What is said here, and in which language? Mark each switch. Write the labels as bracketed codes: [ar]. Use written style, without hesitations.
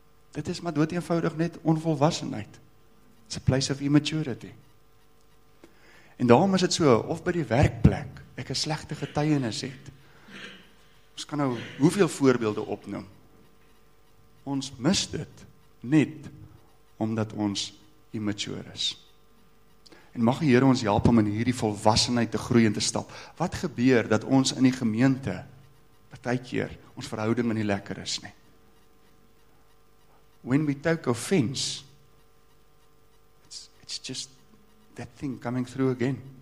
[af] Dit is maar dood eenvoudig net onvolwassenheid. [en] It's a place of immaturity. [af] En daarom is dit so, of by die werkplek, ek 'n slegte getuienis het. Ons kan nou hoeveel voorbeelde opnoem. Ons mis dit net omdat ons immature is. En mag die Here ons help om in hierdie volwassenheid te groei en te stap. Wat gebeur dat ons in die gemeente partykeer ons verhouding nie lekker is nie? [en] When we take offense, it's just that thing coming through again.